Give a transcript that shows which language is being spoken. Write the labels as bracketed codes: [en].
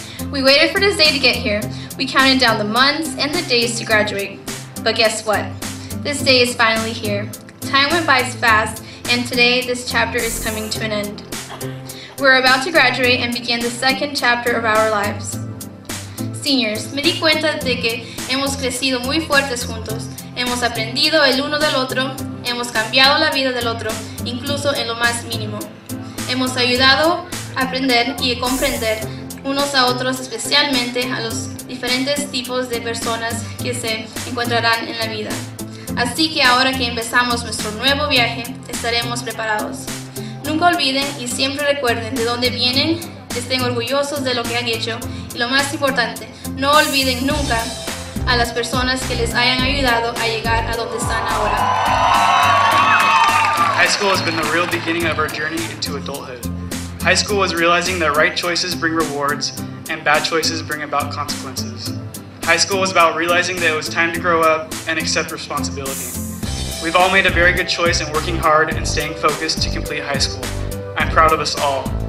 [en] We waited for this day to get here. We counted down the months and the days to graduate. But guess what? This day is finally here. Time went by fast, and today this chapter is coming to an end. We're about to graduate and begin the second chapter of our lives. [es] Seniors, me di cuenta de que hemos crecido muy fuertes juntos. Hemos aprendido el uno del otro. Hemos cambiado la vida del otro, incluso en lo más mínimo. Hemos ayudado a aprender y a comprender unos a otros, especialmente a los diferentes tipos de personas que se encontrarán en la vida. Así que ahora que empezamos nuestro nuevo viaje, estaremos preparados. Nunca olviden y siempre recuerden de dónde vienen, estén orgullosos de lo que han hecho, y lo más importante, no olviden nunca a las personas que les hayan ayudado a llegar a donde están ahora. [en] High school has been the real beginning of our journey into adulthood. High school was realizing that right choices bring rewards and bad choices bring about consequences. High school was about realizing that it was time to grow up and accept responsibility. We've all made a very good choice in working hard and staying focused to complete high school. I'm proud of us all.